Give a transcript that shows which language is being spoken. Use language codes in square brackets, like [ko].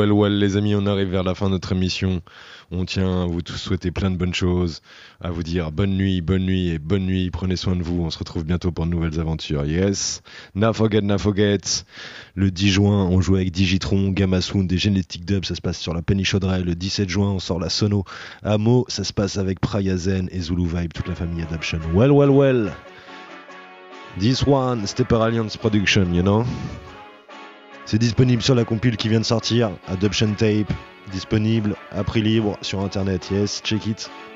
[fr] Les amis, on arrive vers la fin de notre émission. On tient à vous tous souhaiter plein de bonnes choses, à vous dire bonne nuit et bonne nuit. Prenez soin de vous. On se retrouve bientôt pour de nouvelles aventures. [en] Yes, Na Foget. [fr] Le 10 juin, on joue avec Digitron, Gamma Sound et Genetic Dub. Ça se passe sur la Pénichaudraie. Le 17 juin, on sort la Sono Amo. Ça se passe avec Prayazen et Zulu Vibe, toute la famille Adaption. [en] Well. This one, Stepper Alliance Production, you know. [fr] C'est disponible sur la compile qui vient de sortir, Adoption Tape, disponible à prix libre sur internet. [en] Yes, check it.